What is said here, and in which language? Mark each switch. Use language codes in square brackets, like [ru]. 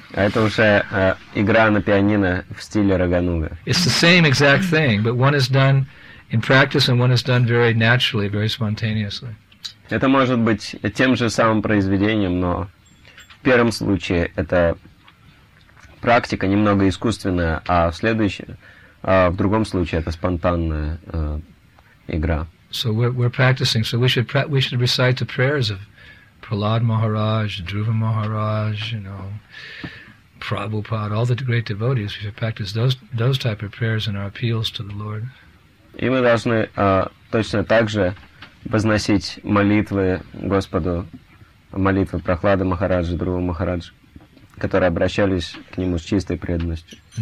[ru] Это уже игра на пианино в стиле Рагануга. [en] It's the same exact thing, but one is done in practice and one is done very naturally, very spontaneously. [ru] Это может быть тем же самым произведением, но в первом случае это практика немного искусственная, а в следующем, в другом случае это спонтанная игра. [en] So we're practicing, so we should recite the prayers of Prahlad Maharaj, Dhruva Maharaj, you know, Prabhupada, all the great devotees. We should practice those type of prayers and our appeals to the Lord. [ru] И мы должны точно так же возносить молитвы Господу, молитвы Прохлады Махараджи, Друва Махараджи, которые обращались к нему с чистой преданностью.